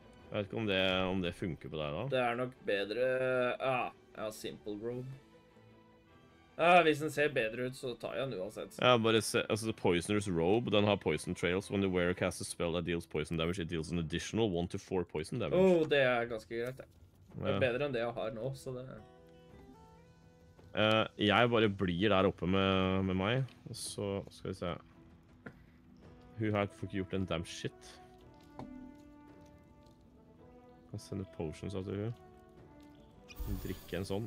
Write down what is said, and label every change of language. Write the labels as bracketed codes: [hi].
[no] Jeg vet ikke om det funker på deg, da. Det er nok bedre... Jeg har simple robe. Hvis den ser bedre ut, så tar jeg den uansett. Ja, bare se... Altså, the poisoner's robe, den har poison trails. [en] When the wearer casts a spell that deals poison damage, it deals an additional 1-4 poison damage. [no] Oh, det er ganske greit, ja. Det er bedre enn det jeg har nå, så det... Jeg bare blir der oppe med meg, og så skal vi se... Hun har ikke gjort en damn shit. Jeg kan sende potions av til hun. Drikke en sånn.